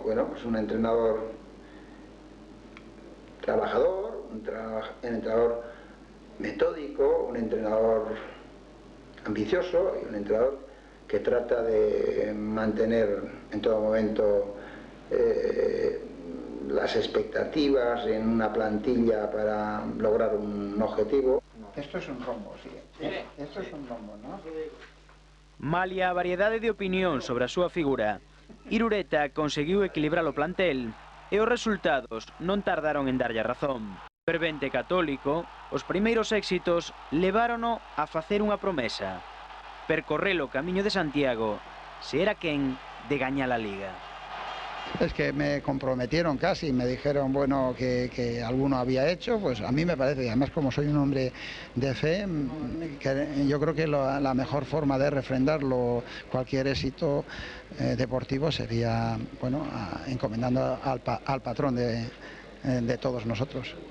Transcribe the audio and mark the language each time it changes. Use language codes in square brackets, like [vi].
[es] Bueno, pues un entrenador trabajador, un entrenador metódico, un entrenador ambicioso y un entrenador que trata de mantener en todo momento las expectativas en una plantilla para lograr un objetivo. Esto es un rombo, sí. Esto es un rombo, ¿no? [gl] Malia a variedade de opinión sobre a súa figura, Irureta conseguiu equilibrar o plantel e os resultados non tardaron en darlle razón. Fervente católico, os primeiros éxitos levárono a facer unha promesa: percorrer o camiño de Santiago, se era quen de gañar a Liga. [es] Es que me comprometieron casi, me dijeron, bueno, que alguno había hecho, pues a mí me parece, y además como soy un hombre de fe, que yo creo que la mejor forma de refrendarlo, cualquier éxito deportivo, sería, bueno, encomendando al patrón de todos nosotros.